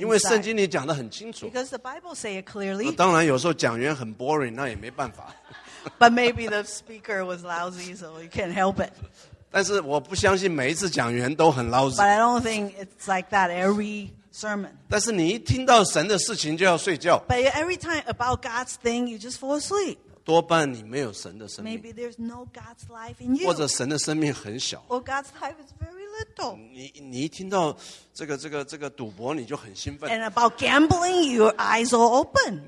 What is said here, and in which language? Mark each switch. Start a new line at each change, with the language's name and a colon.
Chinese: 因为圣经里讲得很清楚，
English: because the Bible say it clearly，
Chinese: 当然有时候讲员很 boring， 那也没办法，
English: but maybe the speaker was lousy， so you can't help it，
Chinese: 但是我不相信每一次讲员都很老子。
English: But I don't think it's like that every sermon.
Chinese: 但是你一听到神的事情就要睡觉。
English: But every time about God's thing, you just fall asleep.
Chinese: 多半你没有神的生命。
English: Maybe there's no God's life in you.
Chinese: 或者神的生命很小。
English: Or God's life is very little.
Chinese: 你一听到这个赌博你就很兴奋。
English: And about gambling, your eyes are open.